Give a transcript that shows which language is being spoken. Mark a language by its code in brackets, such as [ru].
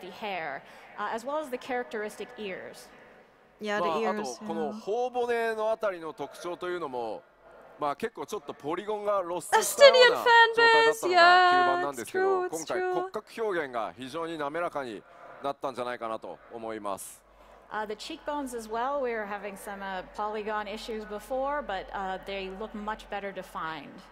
[en] Of the hair, as well as the characteristic ears. Yeah, the ears. [ja] この頬骨のあたりの特徴というのも、まあ結構ちょっとポリゴンが露出したような状態だったんですけど、 [en] fan base. it's true, it's true. [ja] 今回骨格表現が非常に滑らかになったんじゃないかなと思います。 [en] The cheekbones as well, we were having some polygon issues before, but they look much better defined.